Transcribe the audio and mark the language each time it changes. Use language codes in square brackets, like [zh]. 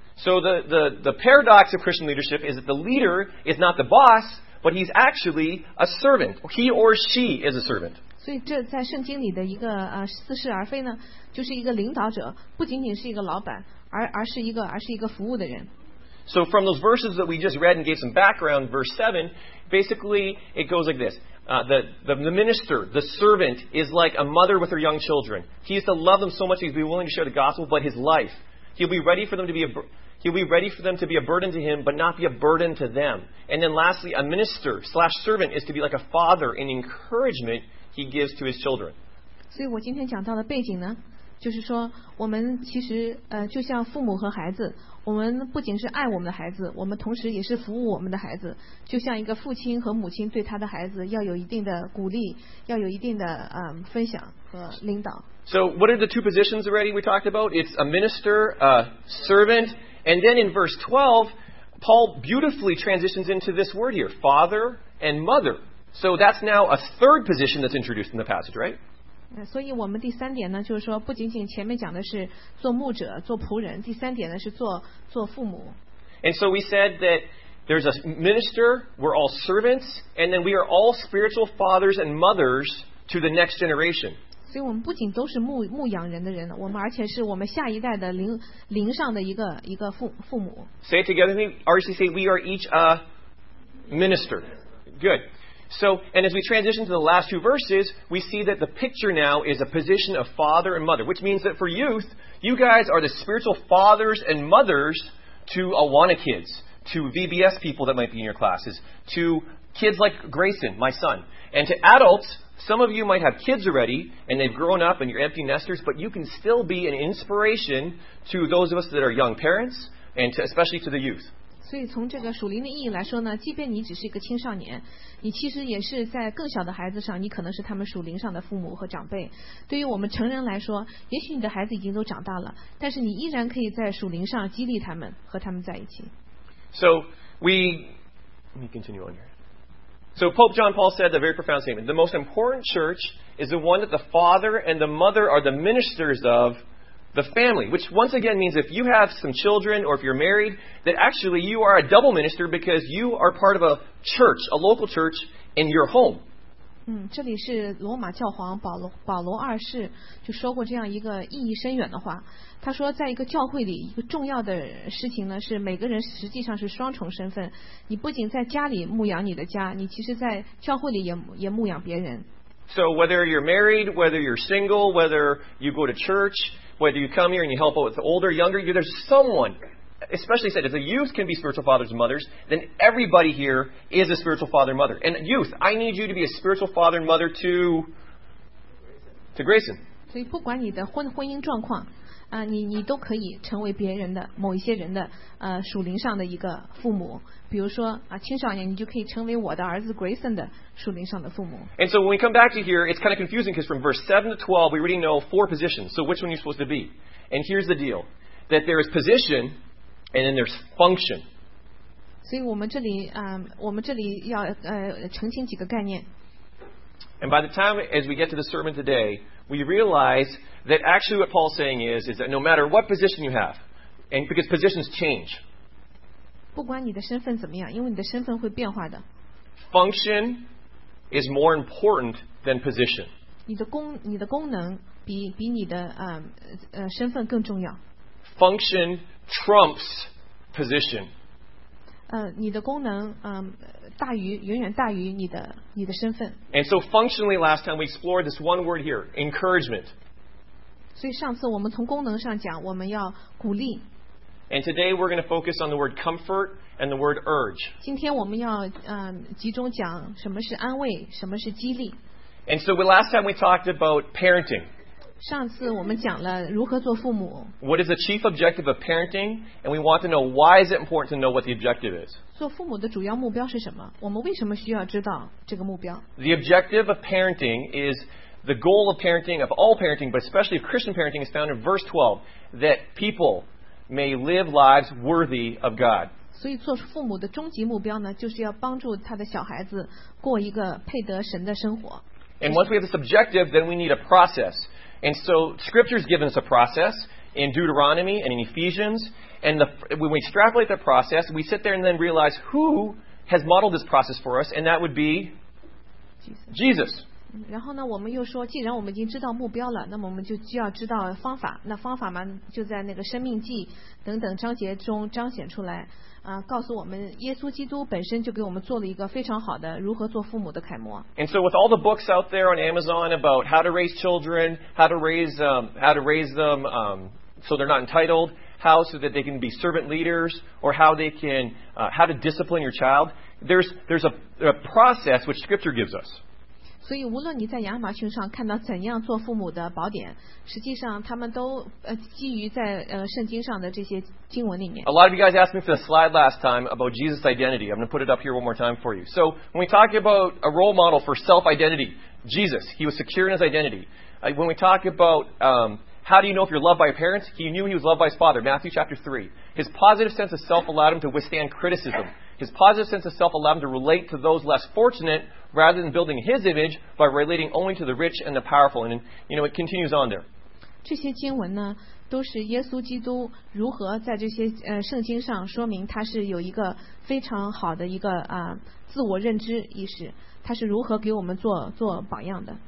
[en] So the paradox of Christian leadership is that the leader is not the boss,But he's actually a servant. He or she is a servant. [zh] 所以这在圣经里的一个似是而非呢，就是一个领导者，不仅仅是一个老板，而是一个服务的人。 [en] So from those verses that we just read and gave some background, verse 7, basically it goes like this. The minister, the servant, is like a mother with her young children. He is to love them so much he's be willing to share the gospel, but his life, he'll be ready for them to be a burden to him, but not be a burden to them. And then lastly, a minister / servant is to be like a father in encouragement he gives to his children. [zh] 所以我今天讲到的背景呢，就是说我们其实就像父母和孩子，我们不仅是爱我们的孩子，我们同时也是服务我们的孩子，就像一个父亲和母亲对他的孩子要有一定的鼓励，要有一定的分享和领导。 [en] So what are the two positions already we talked about? It's a minister, a servant, and then in verse 12, Paul beautifully transitions into this word here, father and mother. So that's now a third position that's introduced in the passage, right? [zh] 所以我们第三点呢，就是说不仅仅前面讲的是做牧者、做仆人，第三点呢是做父母。 [en] And so we said that there's a minister, we're all servants, and then we are all spiritual fathers and mothers to the next generation. [zh] 所以我们不仅都是牧养人的人，我们而且是我们下一代的灵上的一个父母。 [en] Say it together with me, RCC, we are each a minister. Good. So, and as we transition to the last two verses, we see that the picture now is a position of father and mother, which means that for youth, you guys are the spiritual fathers and mothers to Awana kids, to VBS people that might be in your classes, to kids like Grayson, my son. And to adults, some of you might have kids already, and they've grown up and you're empty nesters, but you can still be an inspiration to those of us that are young parents, and especially to the youth. [zh] 所以从这个属灵的意义来说呢，即便你只是一个青少年，你其实也是在更小的孩子上，你可能是他们属灵上的父母和长辈。对于我们成人来说，也许你的孩子已经都长大了，但是你依然可以在属灵上激励他们，和他们在一起。 [en] So we let me continue on here. So Pope John Paul said a very profound statement. The most important church is the one that the father and the mother are the ministers of. The family, which once again means if you have some children or if you're married, that actually you are a double minister because you are part of a church, a local church in your home. [zh] 这里是罗马教皇保罗二世就说过这样一个意义深远的话。他说在一个教会里一个重要的事情呢，是每个人实际上是双重身份。你不仅在家里牧养你的家，你其实在教会里也牧养别人。 [en] So whether you're married, whether you're single, whether you go to church,Whether you come here and you help out with the older, younger, there's someone, especially said, if the youth can be spiritual fathers and mothers, then everybody here is a spiritual father and mother. And youth, I need you to be a spiritual father and mother to Grayson. [zh] 所以不管你的婚姻状况，你都可以成为别人的某一些人的属灵上的一个父母。比如说青少年，你就可以成为我的儿子 Grayson 的属灵上的父母。 [en] And so when we come back to here, it's kind of confusing because from verse 7 to 12, we already know four positions. So which one are you supposed to be? And here's the deal, that there is position and then there's function. [zh] 所以我们这里要澄清几个概念。 [en] And by the time as we get to the sermon today, we realize that actually what Paul's saying is that no matter what position you have, and because positions change. [zh] 不管你的身份怎么样，因为你的身份会变化的。 [en] Function is more important than position. [zh] 你的功能比你的身份更重要。 [en] Function trumps position. [zh] 你的功能大于远远大于你的身份。 [en] And so functionally, last time we explored this one word here, encouragement. [zh] 所以上次我们从功能上讲，我们要鼓励。 [en] And today we're going to focus on the word comfort and the word urge. [zh] 今天我们要集中讲什么是安慰，什么是激励。 [en] And so we, last time we talked about parenting. [zh] 上次我们讲了如何做父母。 [en] What is the chief objective of parenting? And we want to know why is it important to know what the objective is. [zh] 做父母的主要目标是什么？我们为什么需要知道这个目标？ [en] The objective of parenting is... The goal of parenting, of all parenting, but especially of Christian parenting, is found in verse 12, that people may live lives worthy of God. 所以做父母的终极目标呢，就是要帮助他的小孩子过一个配得神的生活。 And once we have this objective, then we need a process. And so Scripture has given us a process in Deuteronomy and in Ephesians. And when we extrapolate that process, we sit there and then realize who has modeled this process for us, and that would be Jesus. Jesus. [zh] 然后呢，我们又说，既然我们已经知道目标了，那么我们就要知道方法。那方法嘛，就在那个生命记等等章节中彰显出来，啊，告诉我们耶稣基督本身就给我们做了一个非常好的如何做父母的楷模。 [en] And so with all the books out there on Amazon about how to raise children, how to raise them, so they're not entitled, how so that they can be servant leaders, or how they can, how to discipline your child, there's a process which Scripture gives us. [zh] 所以无论你在亚马逊上看到怎样做父母的宝典，实际上他们都基于在圣经上的这些经文里面。 [en] A lot of you guys asked me for the slide last time about Jesus' identity. I'm going to put it up here one more time for you. So when we talk about a role model for self-identity, Jesus, he was secure in his identity. When we talk about how do you know if you're loved by your parents, he knew he was loved by his father, Matthew chapter 3. His positive sense of self allowed him to withstand criticism. His positive sense of self allowed him to relate to those less fortunate,rather than building his image by relating only to the rich and the powerful. And, you know, it continues on there. [zh] 这些经文呢，都是耶稣基督如何在这些圣经上说明他是有一个非常好的一个自我认知意识，他是如何给我们做榜样的。